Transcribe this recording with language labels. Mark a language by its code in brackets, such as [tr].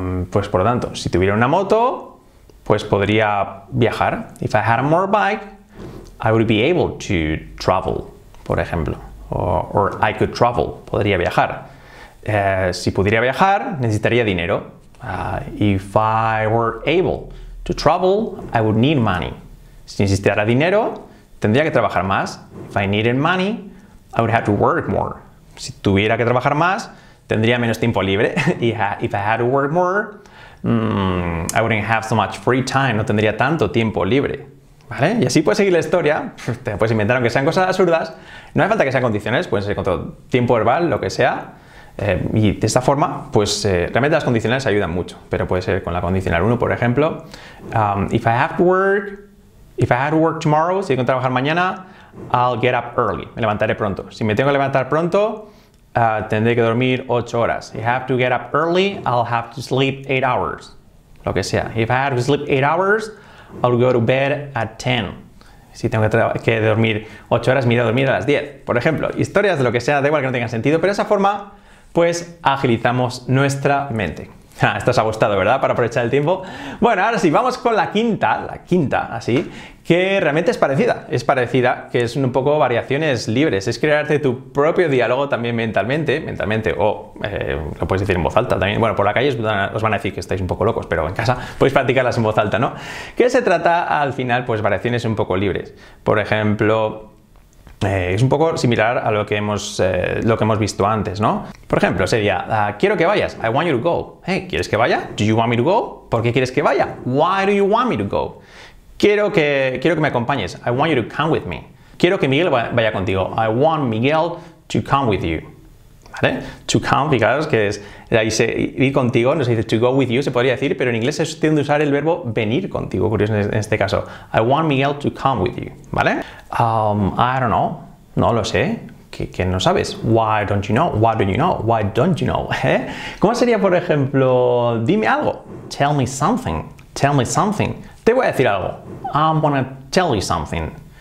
[es] Pues por lo tanto, si tuviera una moto, pues podría viajar. [en] If I had a motorbike, I would be able to travel, [es] por ejemplo. [en] Or I could travel, [es] podría viajar. Si pudiera viajar, necesitaría dinero. [en] If I were able to travel, I would need money. [es] Si necesitara dinero, tendría que trabajar más. [en] If I needed money, I would have to work more. [es] Si tuviera que trabajar más, tendría menos tiempo libre. [en] If I had to work more, I wouldn't have so much free time. [es] No tendría tanto tiempo libre. ¿Vale? Y así puedes seguir la historia. Te puedes inventar aunque sean cosas absurdas. No hace falta que sean condiciones. Pueden ser con todo tiempo verbal, lo que sea. Y de esta forma, pues realmente las condicionales ayudan mucho, pero puede ser con la condicional 1, por ejemplo. [en] If I have to work tomorrow, [es] si tengo que trabajar mañana, [en] I'll get up early, [es] me levantaré pronto. Si me tengo que levantar pronto, tendré que dormir 8 horas. [en] If I have to get up early, I'll have to sleep 8 hours. [es] Lo que sea. [en] If I have to sleep 8 hours, I'll go to bed at 10. [es] Si tengo que dormir 8 horas, me iré a dormir a las 10. Por ejemplo, historias de lo que sea, da igual que no tengan sentido, pero de esa forma, pues agilizamos nuestra mente. Ah, esto os ha gustado, ¿verdad? Para aprovechar el tiempo. Bueno, ahora sí, vamos con la quinta, así, que realmente es parecida, que es un poco variaciones libres. Es crearte tu propio diálogo también mentalmente, lo puedes decir en voz alta también. Bueno, por la calle os van a decir que estáis un poco locos, pero en casa podéis practicarlas en voz alta, ¿no? ¿Qué se trata al final? Pues variaciones un poco libres. Por ejemplo, es un poco similar a lo que hemos visto antes, ¿no? Por ejemplo, sería, quiero que vayas. [en] I want you to go. [es] Hey, ¿quieres que vaya? [en] Do you want me to go? [es] ¿Por qué quieres que vaya? [en] Why do you want me to go? [es] Quiero que me acompañes. [en] I want you to come with me. [es] Quiero que Miguel vaya contigo. [en] I want Miguel to come with you. [es] ¿Vale? [en] To come, [es] fijaros que es ir contigo, no se dice [en] to go with you, [es] se podría decir, pero en inglés se tiende a usar el verbo venir contigo, curioso en este caso. [en] I want Miguel to come with you, [es] ¿vale? [en] I don't know, [es] no lo sé, ¿qué no sabes? [en] Why don't you know? Why don't you know? Why don't you know? ¿Eh? [es] ¿Cómo sería, por ejemplo, dime algo? [en] Tell me something, tell me something. [es] Te voy a decir algo. [en] I'm gonna tell you something.